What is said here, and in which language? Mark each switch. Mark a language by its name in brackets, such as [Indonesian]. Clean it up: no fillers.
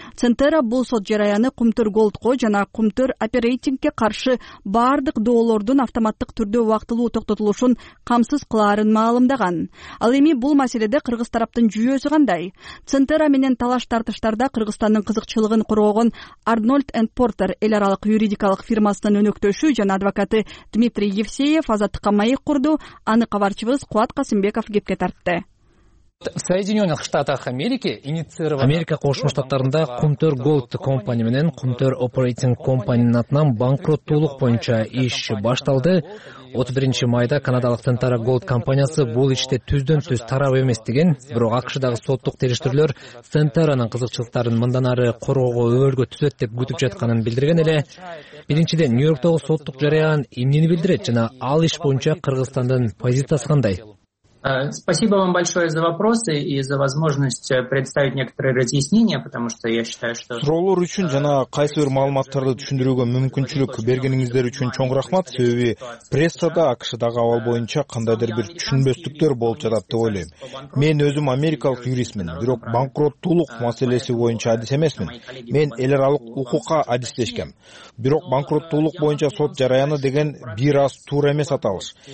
[Kyrgyz] Центера бул сот жараяны Кумтөр Голдко жана Кумтөр Оперейтингге каршы бардык доолордун автоматтык түрдө актылуу токтотулушун камсыз кылаарын маалымдаган. Ал эми бул маселеде кыргыз тараптын жүйөсү кандай? Центера менен талаш тартыштарда Кыргызстандын кызыкчылыгын корогон Арнольд энд Портер эл аралык юридикалык фирмасынын өнөктөшү жана адвокаты Дмитрий Евсеев азаттыкка маек курду. Аны кабарчыбыз Кубат Касымбеков кепке тартты. [Russian] Соединенных Штатах Америки инициировала [Kyrgyz] Америка Кошмо Штаттарында Кумтөр Голд компания менен Кумтөр Оперейтинг компаниянын атынан банкроттуулук боюнча иш башталды. 31 майда канадалык Центера Голд компаниясы бул иште түздөн түз тарап эмес деген, бирок АКШдагы соттук териштирүүлөр Центеранын кызыкчылыктарын мындан ары коргоого өбөлгө түзөт деп күтүп жатканын билдирген эле. Биринчиден, Нью-Йорктогу соттук жараян эмнени билдирет жана ал иш боюнча Кыргызстандын позициясы кандай? [Russian] Спасибо вам большое за вопросы и за возможность представить некоторые разъяснения, потому что я считаю, что [Kyrgyz] суроолор үчүн жана кайсы бир маалыматтарды түшүндүрүүгө мүмкүнчүлүк бергениңиздер үчүн чоң рахмат. Себеби прессада АКШдагы абал боюнча кандайдыр бир түшүнбөстүктөр болуп жатат деп ойлойм. Мен өзүм америкалык юристмин, бирок банкроттуулук маселеси боюнча адис эмесмин. Мен эл аралык укукка адистешкем. Бирок банкроттуулук боюнча сот жараяны деген бир аз туура эмес аталыш.